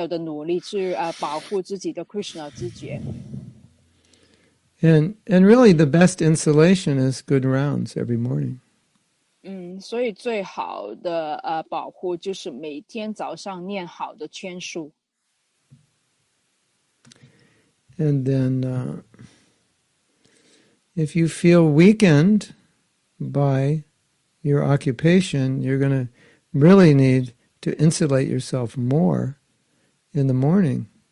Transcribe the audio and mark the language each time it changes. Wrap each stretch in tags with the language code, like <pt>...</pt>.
<zh>因为呢，原则就是你变成奉献者以后呢，你会尽所有的努力去保护自己的 Krishna 知觉。</zh> <en>And really the best insulation is good rounds every morning.</en> <zh>所以最好的保护就是每天早上念好的圈数。</zh> <en>And then if you feel weakened by your occupation, you're going to really need to insulate yourself more in the morning.</en>